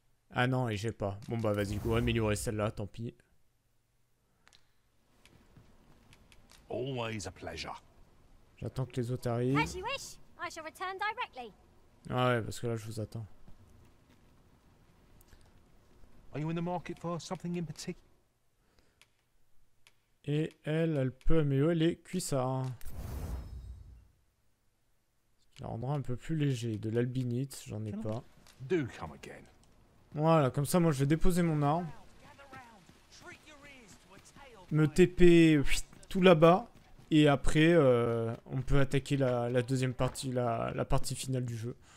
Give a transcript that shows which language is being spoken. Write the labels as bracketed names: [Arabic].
[French] Ah non, et j'ai pas. Bon bah vas-y, go améliorer celle-là, tant pis. [English] Always a pleasure. [French] J'attends que les autres arrivent. [English] As you wish, I shall return directly. [French] Ah ouais, parce que là je vous attends. [English] Are you in the market for something in particular? [French] Et elle, elle peut améliorer les cuissards. Ce qui la rendra un peu plus léger. De l'albinite, j'en ai pas. [English] Do come again. [French] Voilà, comme ça moi je vais déposer mon arme. Me TP tout là-bas. Et après, on peut attaquer la deuxième partie, la partie finale du jeu.